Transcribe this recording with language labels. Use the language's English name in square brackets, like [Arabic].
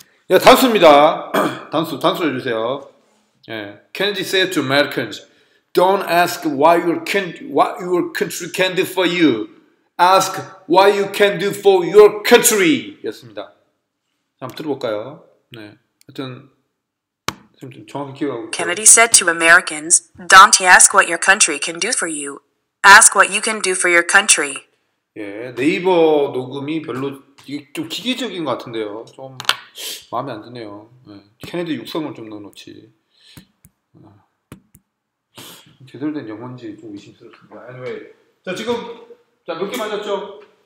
[Korean] 예, 단순입니다. 단순 해주세요. 예. [English] Kennedy said to Americans. Don't ask why your can what your country can do for you. Ask what you can do for your country. [Korean] 였습니다. 한번 들어볼까요? 네. 하여튼 좀 정확히 기억하고. [English] Kennedy said to Americans, "Don't ask what your country can do for you. Ask what you can do for your country." [Korean] 예, 네이버 녹음이 별로 좀 기계적인 것 같은데요. 좀 마음에 안 드네요. 네. 케네디 육성을 좀 넣어놓지. 제대로 된 영어인지 좀 의심스럽습니다. Anyway. 자, 지금, 자, 몇 개 맞았죠?